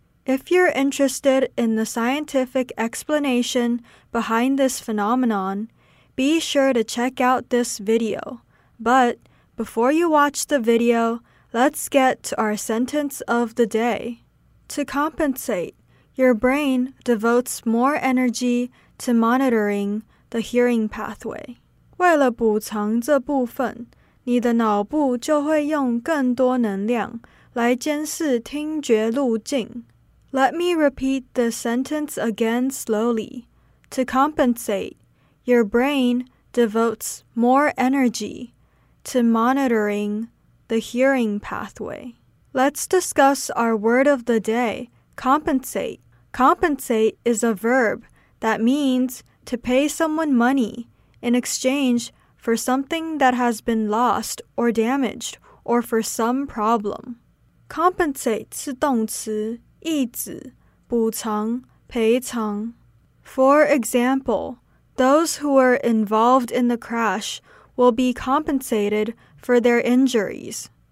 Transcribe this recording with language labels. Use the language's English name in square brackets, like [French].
[English] If you're interested in the scientific explanation behind this phenomenon, be sure to check out this video. But before you watch the video, let's get to our sentence of the day. To compensate, your brain devotes more energy to monitoring the hearing pathway. [Chinese] 为了补偿这部分, 你的脑部就会用更多能量来监视听觉路径. [English] Let me repeat the sentence again slowly. To compensate, your brain devotes more energy to monitoring the hearing pathway. Let's discuss our word of the day, compensate. Compensate is a verb that means to pay someone money in exchange for something that has been lost or damaged, or for some problem. [Chinese] Compensate是动词,意指,补偿,赔偿. [English] For example, those who were involved in the crash will be compensated for their injuries.